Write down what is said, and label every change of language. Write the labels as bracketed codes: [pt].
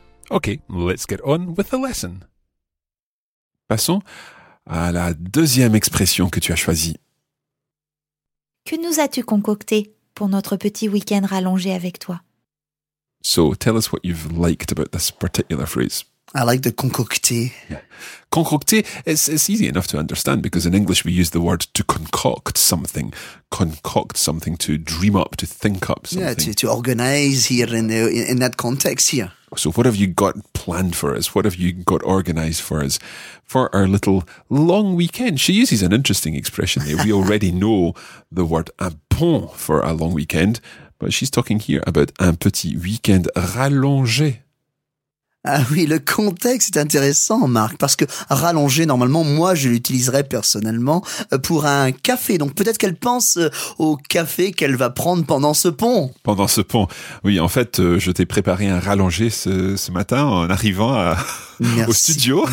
[en] Okay, let's get on with the lesson. [fr] Passons à la deuxième expression que tu as choisie. Que nous as-tu concocté pour notre petit week-end rallongé avec toi? [en] So, tell us what you've liked about this particular phrase. I like the concocté. Yeah. Concocté, it's easy enough to understand because in English we use the word to concoct something, to dream up, to think up something. Yeah, to organize here in that context here. So what have you got planned for us? What have you got organized for us for our little long weekend? She uses an interesting expression there. We already know the word un bon for a long weekend, but she's talking here about [fr] un petit weekend rallongé. Ah oui, le contexte est intéressant, Marc, parce que rallonger, normalement, moi, je l'utiliserais personnellement pour un café. Donc peut-être qu'elle pense au café qu'elle va prendre pendant ce pont. Pendant ce pont. Oui, en fait, je t'ai préparé un rallongé ce matin en arrivant au studio.